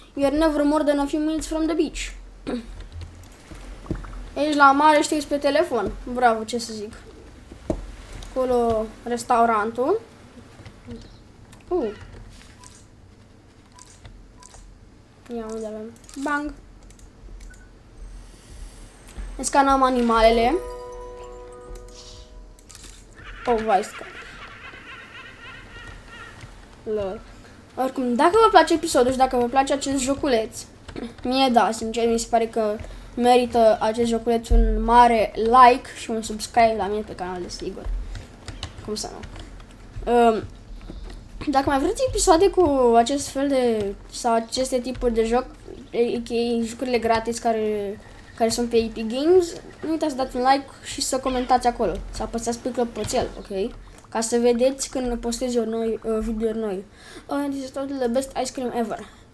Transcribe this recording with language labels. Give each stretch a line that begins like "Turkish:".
English: You are never more than a few minutes from the beach.
Romanian: Ești la mare și ești pe telefon. Bravo, ce să zic. Acolo, restaurantul. Ia, unde avem? Bang! Ne scanăm animalele. Oh, vai, lol. Oricum, dacă vă place episodul și dacă vă place acest joculeț, mie da, sincer, mi se pare că merită acest joculeț un mare like și un subscribe la mine pe canal, desigur. Cum să nu? Dacă mai vreți episoade cu acest fel de, sau aceste tipuri de joc, aka jucurile gratis care sunt pe Epic Games, nu uitați să dați un like și să comentați acolo, să apăsați pe clopoțel, ok? Ca să vedeți când postez eu noi, video noi.
English: Oh, this is totally the best ice cream ever.